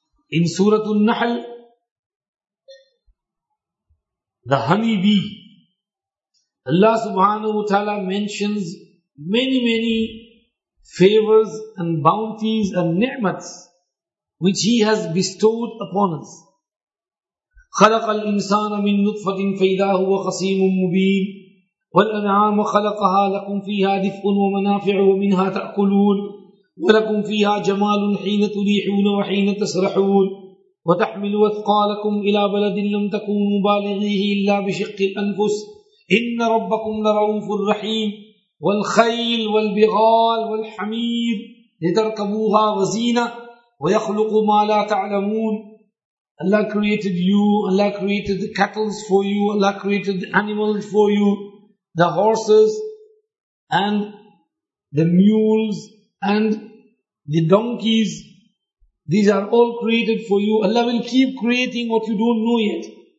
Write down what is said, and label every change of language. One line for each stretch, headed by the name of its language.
English: In Surah An-Nahl, the honeybee, Allah subhanahu wa ta'ala mentions many, many favors and bounties and ni'mats which He has bestowed upon us.
Arabic: خَلَقَ الْإِنسَانَ مِن نُطْفَةٍ فَإِذَا هُوَ خَصِيمٌ مُبِينٌ والأنعام خلقها لكم فيها دفء ومنافع ومنها تأكلون ولكم فيها جمال حين تريحون وحين تسرحون وتحمل أثقالكم إلى بلد لم تكونوا بالغيه إلا بشق الأنفس إن ربكم لرؤوف رحيم والخيل والبغال والحمير لتركبوها وزينة ويخلق ما لا تعلمون.
English: Allah created you, Allah created the cattle for you, Allah created the animals for you, the horses and the mules and the donkeys. These are all created for you. Allah will keep creating what you don't know yet.